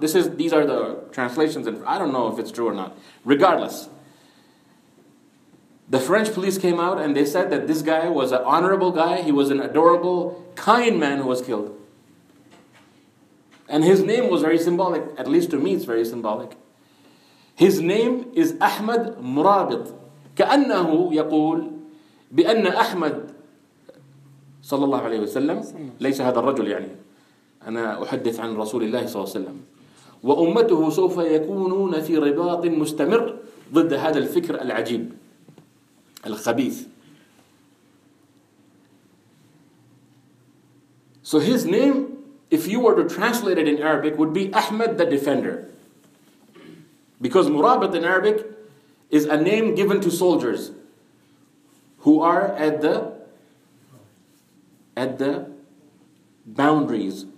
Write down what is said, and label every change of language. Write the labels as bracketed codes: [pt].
[en] These are the translations. And I don't know if it's true or not. Regardless, the French police came out and they said that this guy was an honorable guy. He was an adorable, kind man who was killed. And his name was very symbolic. At least to me, it's very symbolic. His name is Ahmed Murabit. [ar] كَأَنَّهُ يَقُولُ بِأَنَّ أَحْمَدْ صلى الله عليه وسلم ليس هذا الرجل يعني أنا أحدث عن رسول الله صلى الله عليه وسلم وأمته سوف يكونون في رباط مستمر ضد هذا الفكر العجيب الخبيث. [en] So his name, if you were to translate it in Arabic, would be Ahmed the Defender. Because Murabit in Arabic is a name given to soldiers who are at the boundaries